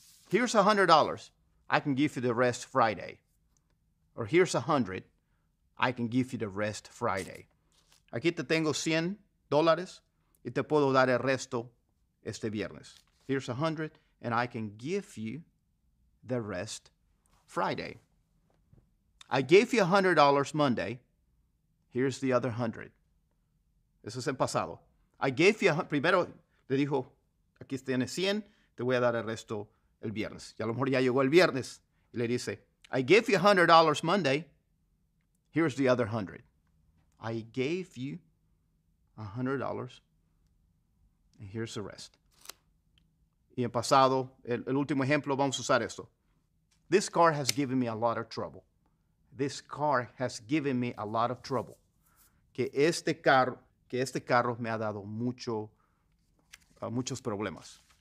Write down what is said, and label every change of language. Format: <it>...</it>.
<en>Here's $100, I can give you the rest Friday. Or here's $100, I can give you the rest Friday.</en> <es>Aquí te tengo $100 y te puedo dar el resto este viernes.</es> <en>Here's $100 and I can give you the rest Friday. I gave you $100 Monday, here's the other $100.</en> <es>Eso es el pasado.</es> <en>I gave you,</en> <es>primero le dijo, aquí tienes 100, te voy a dar el resto el viernes. Y a lo mejor ya llegó el viernes. Y le dice,</es> <en>I gave you $100 Monday, here's the other $100. I gave you $100, and here's the rest.</en> <es>Y en pasado, el último ejemplo, vamos a usar esto.</es> <en>This car has given me a lot of trouble. This car has given me a lot of trouble.</en> <es>Que este carro me ha dado muchos problemas.</es>